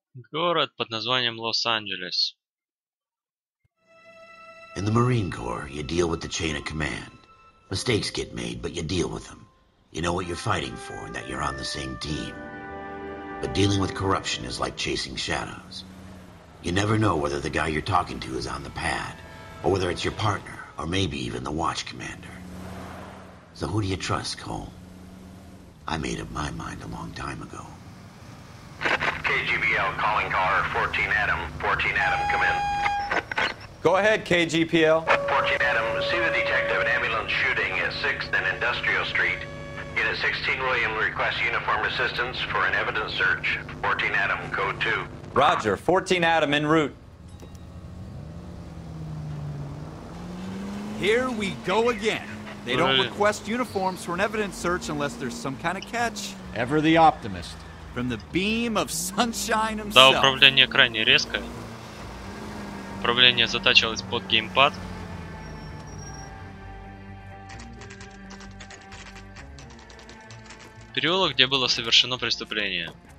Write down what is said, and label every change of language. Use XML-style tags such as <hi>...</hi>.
<ru>Город под названием Лос-Анджелес.</ru> <en>In the Marine Corps, you deal with the chain of command. Mistakes get made, but you deal with them. You know what you're fighting for and that you're on the same team. But dealing with corruption is like chasing shadows. You never know whether the guy you're talking to is on the pad, or whether it's your partner, or maybe even the watch commander. So who do you trust, Cole? I made up my mind a long time ago. KGPL calling car, 14 Adam. 14 Adam, come in. Go ahead, KGPL. 14 Adam, see the detective, an ambulance shooting at 6th and Industrial Street. Unit 16 William requests uniform assistance for an evidence search. 14 Adam, code 2. Roger, 14 Adam en route. Here we go again. They don't request uniforms for an evidence search unless there's some kind of catch. Ever the optimist. From the beam of sunshine himself.</en> <ru>Да, управление крайне резкое. Управление затачивалось под геймпад. Переулок, где было совершено преступление.</ru>